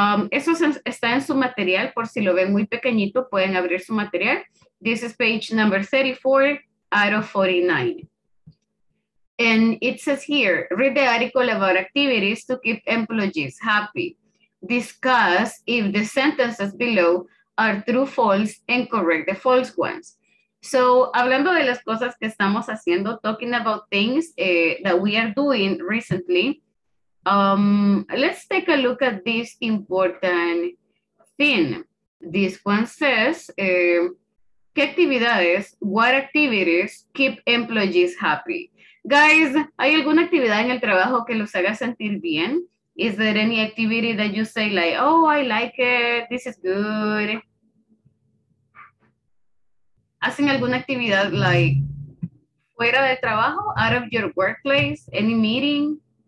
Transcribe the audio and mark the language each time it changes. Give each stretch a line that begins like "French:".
Spanish: Eso está en su material, por si lo ven muy pequeñito, pueden abrir su material.
English: This is page number 34 out of 49. And it says here, read the article about activities to keep employees happy. Discuss if the sentences below are true, false, and correct the false ones. So,
Spanish: hablando de las cosas que estamos haciendo,
English: talking about things that we are doing recently, let's take a look at this important thing. This one says,
Spanish: ¿qué actividades,
English: what activities keep employees happy?
Spanish: Guys, ¿hay alguna actividad en el trabajo que los haga sentir bien?
English: Is there any activity that you say like, oh, I like it, this is good?
Spanish: ¿Hacen alguna actividad like fuera del trabajo,
English: out of your workplace, any meeting?